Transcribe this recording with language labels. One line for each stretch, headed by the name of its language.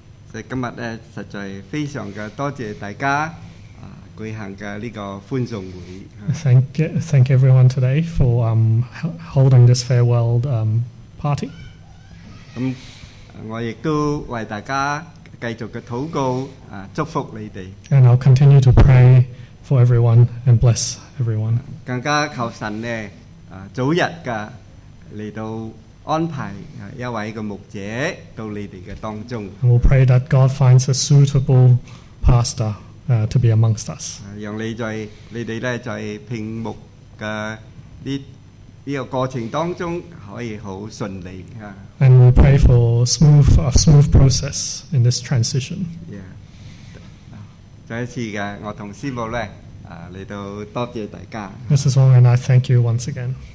English: Thank everyone today for holding this farewell party. And I'll continue to pray for everyone and bless everyone.
Chinese: 更加求神呢,早日的 來安排一位牧者到你們當中。
English: And we'll pray that God finds a suitable pastor to be amongst us.
Chinese: 讓你們在屏幕的这个过程当中可以很顺利。
English: And we pray for a smooth process in this transition.
Chinese: Yeah. 再一次的，我同师母呢，来到多谢大家。
English: Mrs. Wong and I thank you once again.